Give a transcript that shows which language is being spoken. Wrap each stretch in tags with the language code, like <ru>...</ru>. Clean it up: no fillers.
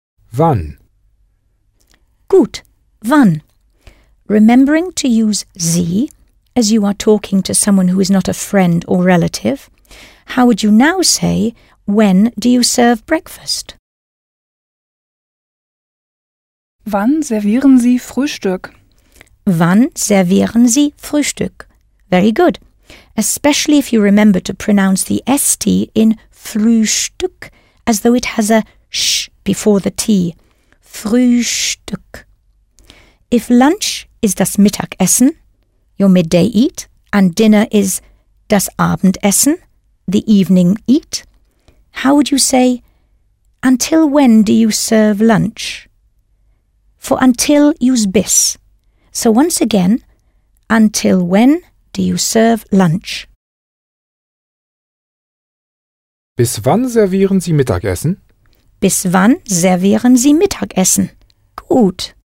<de>Wann? Gut, wann.</de> <en>Remembering to use Sie, as you are talking to someone who is not a friend or relative, how would you now say, when do you serve breakfast?</en> <de>Wann servieren Sie Frühstück? Wann servieren Sie Frühstück?</de> <en>Very good. Especially if you remember to pronounce the st in Frühstück as though it has a sh before the t. Frühstück. If lunch is</en> <de>das Mittagessen,</de> <en>your midday eat, and dinner is</en> <de>das Abendessen,</de> <en>the evening eat, how would you say, until when do you serve lunch? For until, use bis. So once again, until when do you serve lunch?</en> <de>Bis wann servieren Sie Mittagessen? Bis wann servieren Sie Mittagessen? Gut.</de>